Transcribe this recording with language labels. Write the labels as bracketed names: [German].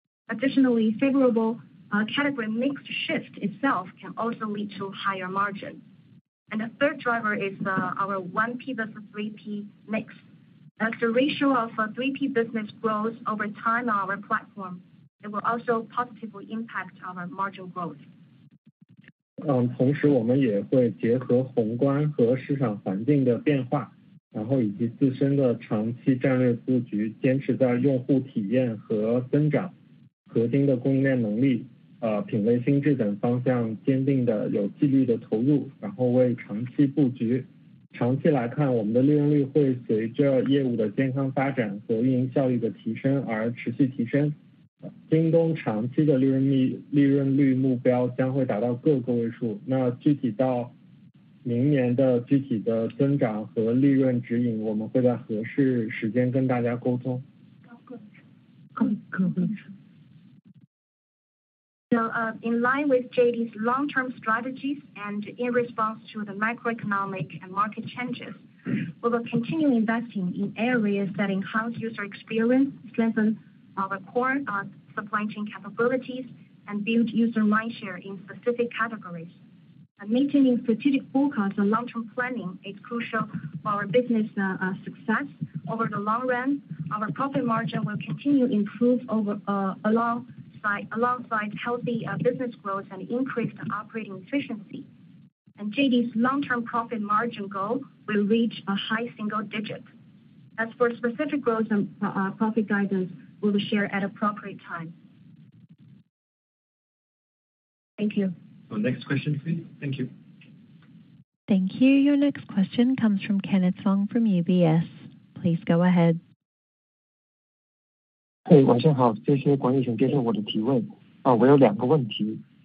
[English] Additionally, favorable category mix shift itself can also lead to higher margin. And the third driver is our 1P versus 3P mix. As the ratio of 3P business grows over time on our platform, it will also positively impact our margin growth. [Chinese] 同时我们也会结合宏观和市场环境的变化，然后以及自身的长期战略布局，坚持在用户体验和增长、核心的供应链能力、品类心智等方向坚定的有纪律的投入，然后为长期布局。长期来看，我们的利润率会随着业务的健康发展和运营效益的提升而持续提升。京东长期的利润率目标将会达到各个位数，那具体到明年的具体的增长和利润指引，我们会在合适时间跟大家沟通。 [English] So, in line with JD's long-term strategies and in response to the macroeconomic and market changes, we will continue investing in areas that enhance user experience, strengthen our core supply chain capabilities, and build user mindshare in specific categories. And maintaining strategic focus on long-term planning is crucial for our business success. Over the long run, our profit margin will continue to improve alongside healthy business growth and increased operating efficiency. and JD's long-term profit margin goal will reach a high single digit. As for specific growth and profit guidance, we'll share at appropriate time. Thank you. Next question, please. Thank you. Thank you. Your next question comes from Kenneth Fong from UBS. Please go ahead. [Chinese] Hey, 晚上好, 谢谢管理层接受我的提问。我有两个问题。